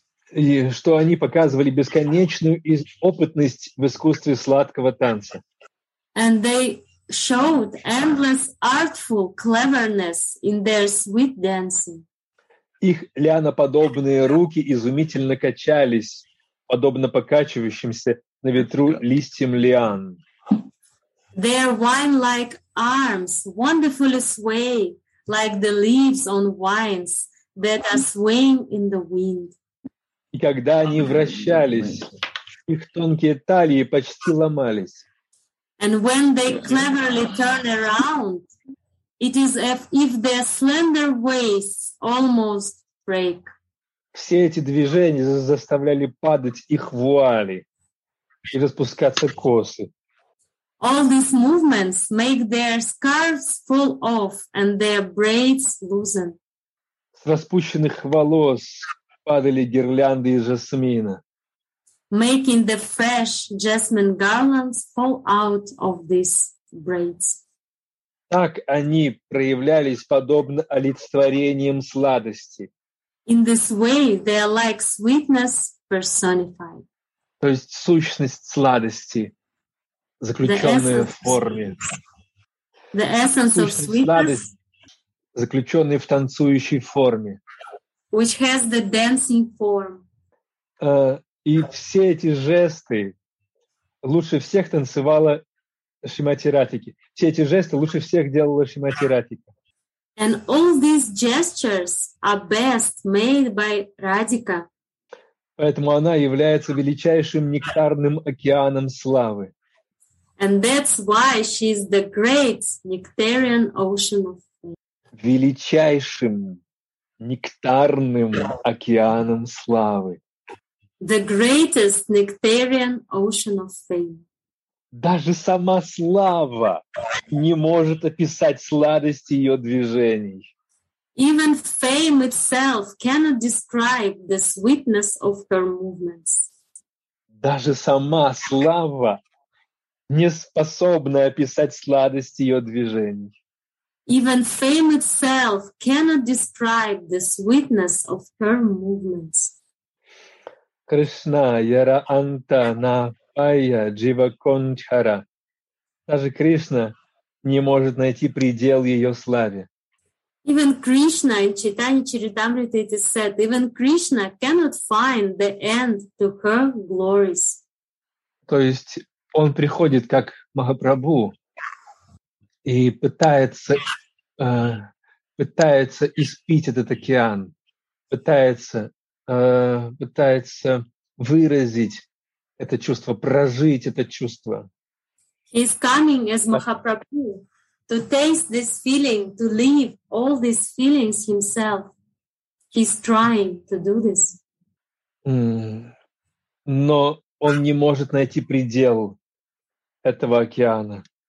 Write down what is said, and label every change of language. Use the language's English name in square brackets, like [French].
[Russian] И что они показывали бесконечную опытность в искусстве сладкого танца. [English] And they showed endless artful cleverness in their sweet dancing. [Russian] Их лианоподобные руки изумительно качались, подобно покачивающимся на ветру листьям лиан. [English] Their wine-like arms wonderfully sway like the leaves on vines that are swaying in the wind. [Russian] И когда они вращались, их тонкие талии почти ломались. [English] And when they cleverly turn around, it is as if their slender waists almost break. [Russian] Все эти движения заставляли падать их вуали и распускаться косы. [English] All these movements make their scarves fall off and their braids loosen. [Russian] С распущенных волос падали гирлянды из жасмина. [English] Making the fresh jasmine garlands fall out of these braids. [Russian] Так они проявлялись подобно олицетворениям сладости. [English] In this way, they are like sweetness personified. [Russian] То есть сущность сладости, заключенная в форме. [English] The essence of sweetness, [Russian] заключенная в танцующей форме. [English] Which has the dancing form. [Russian] И все эти жесты лучше всех танцевала Шримати Радхика. Все эти жесты лучше всех делала Шримати Радхика. [English] And all these gestures are best made by Radhika. [Russian] Поэтому она является величайшим нектарным океаном славы. [English] And that's why she is the great nectarian ocean of fame. [Russian] Величайшим нектарным океаном славы. [English] The greatest nectarian ocean of fame. [Russian] Даже сама слава не может описать сладости ее движений. [English] Even fame itself cannot describe the sweetness of her movements. [Russian] Даже сама слава не способна описать сладость ее движений. [English] Even fame itself cannot describe the sweetness of her movements. [Bangla] Кришна, яра анта на Пайя Джива Кончхара. [Russian] Даже Кришна не может найти предел ее славе. [English] Even Krishna in Chaitanya Charitamrita it is said, even Krishna cannot find the end to her glories. [Russian] То есть он приходит как Махапрабху и пытается испить этот океан, пытается выразить это чувство, прожить это чувство. [English] He's coming as Mahaprabhu to taste this feeling, to live all these feelings himself. He's trying to do this. [Russian] Но он не может найти предел этого океана.